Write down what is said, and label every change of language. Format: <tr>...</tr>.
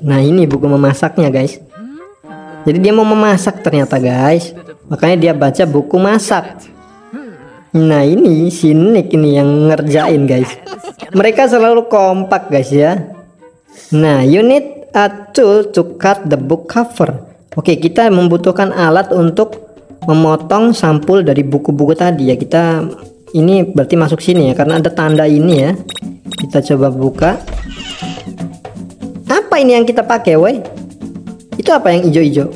<id>Nah, ini buku memasaknya, guys. Jadi dia mau memasak ternyata, guys. Makanya dia baca buku masak. Nah, ini si Nick ini yang ngerjain, guys. Mereka selalu kompak, guys, ya.</id> <en>Nah, you need a tool to cut the book cover.</en> <id>Oke, kita membutuhkan alat untuk memotong sampul dari buku-buku tadi, ya. Kita ini berarti masuk sini, ya, karena ada tanda ini, ya. Kita coba buka. Apa ini yang kita pakai, woi? Itu apa yang ijo-ijo?</id>